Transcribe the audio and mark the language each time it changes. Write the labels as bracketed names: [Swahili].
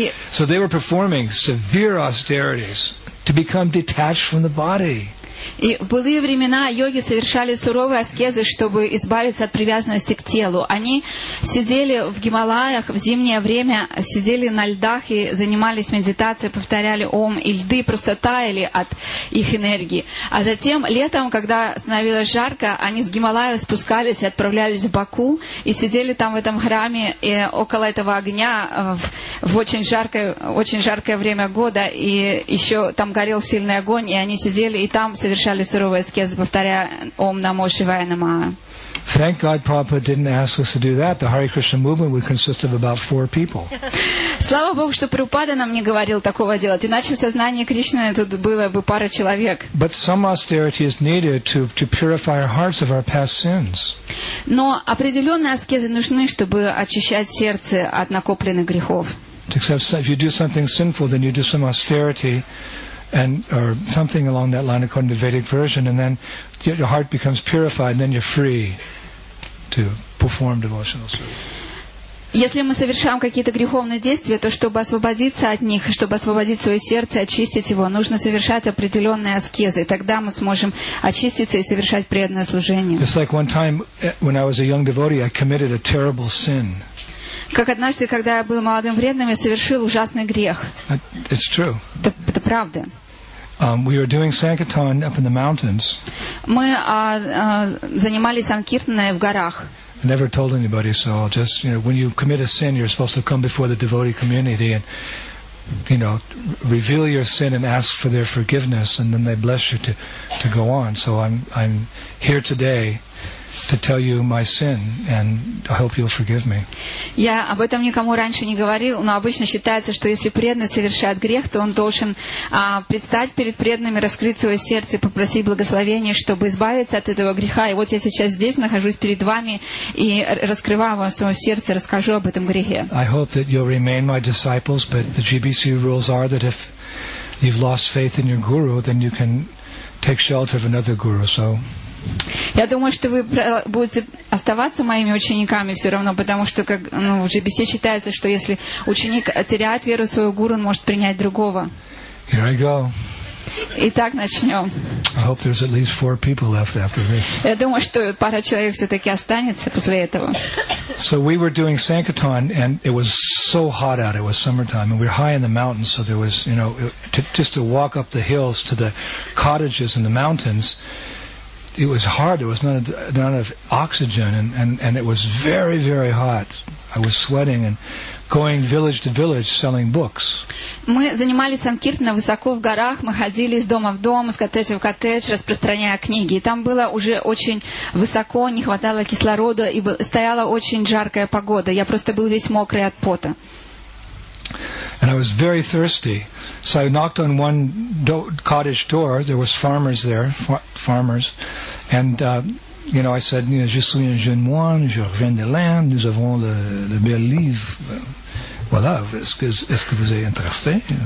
[English] So they were performing severe austerities to become detached from the body. [Russian] И в былые времена йоги совершали суровые аскезы, чтобы избавиться от привязанности к телу. Они сидели в Гималаях в зимнее время, сидели на льдах и занимались медитацией, повторяли ом, и льды просто таяли от их энергии. А затем летом, когда становилось жарко, они с Гималаев спускались и отправлялись в Баку, и сидели там в этом храме около этого огня в очень жаркое время года, и еще там горел сильный огонь, и они сидели, и там совершали суровые аскезы, повторяя Ом Намо Шивая Намаха. [English] Thank God Prabhupada didn't ask us to do that. The Hare Krishna movement would consist of about four people. [Russian] Слава Богу, что Прабхупада нам не говорил такого делать. Иначе в сознании Кришны тут было бы пара человек. [English] But some austerity is needed to purify our hearts of our past sins. [Russian] Но определенные аскезы нужны, чтобы очищать сердце от накопленных грехов. [English] If you do something sinful, then you do some austerity and or something along that line according to the Vedic version, and then your heart becomes purified, and then you're free to perform devotional service. [Russian] Если мы совершаем какие-то греховные действия, то чтобы освободиться от них, чтобы освободить свое сердце, очистить его, нужно совершать определенные аскезы, тогда мы сможем очиститься и совершать преданное служение. [English] It's like one time when I was a young devotee, I committed a terrible sin. [Russian] Как однажды, когда я был молодым вредным, я совершил ужасный грех. [English] It's true. [Russian] Это правда. [English] We were doing sankirtan up in the mountains. [Russian] Мы занимались санкиртаной в горах. [English] I never told anybody, so I'll just, you know, when you commit a sin, you're supposed to come before the devotee community and, you know, reveal your sin and ask for their forgiveness, and then they bless you to go on. So I'm here today to tell you my sin and I hope you'll forgive me. [Russian] Я об этом никому раньше не говорил, но обычно считается, что если преданный совершает грех, то он должен предстать перед преданными, раскрыть свое сердце, попросить благословения, чтобы избавиться от этого греха. И вот я сейчас здесь нахожусь перед вами и раскрываю вам свое сердце, расскажу об этом грехе. [English] I hope that you'll remain my disciples, but the GBC rules are that if you've lost faith in your guru, then you can take shelter of another guru. So [Russian] я думаю, что вы будете оставаться моими учениками все равно, потому что как, ну, в GBC считается, что если ученик теряет веру в свою гуру, он может принять другого. [English] Here I go. [Russian] Итак, начнем. [English] I hope there's at least four people left after this. [Russian] Я думаю, что пара человек все-таки останется после этого. [English] So we were doing sankirtan, and it was so hot out, it was summertime, and we were high in the mountains, so there was, you know, just to walk up the hills to the cottages in the mountains, it was hard. There was not enough oxygen, and it was very, very hot. I was sweating and going village to village selling books. [Russian] Мы занимались санкиртаной высоко в горах. Мы ходили из дома в дом, из коттеджа в коттедж, распространяя книги. И там было уже очень высоко, не хватало кислорода, и стояла очень жаркая погода. Я просто был весь мокрый от пота. [English] And I was very thirsty. So I knocked on one cottage door. There was farmers there, farmers. And, you know, I said, [French] je suis un jeune moine, je reviens de l'Inde, nous avons le bel livre. Voilà, est-ce que vous êtes intéressé?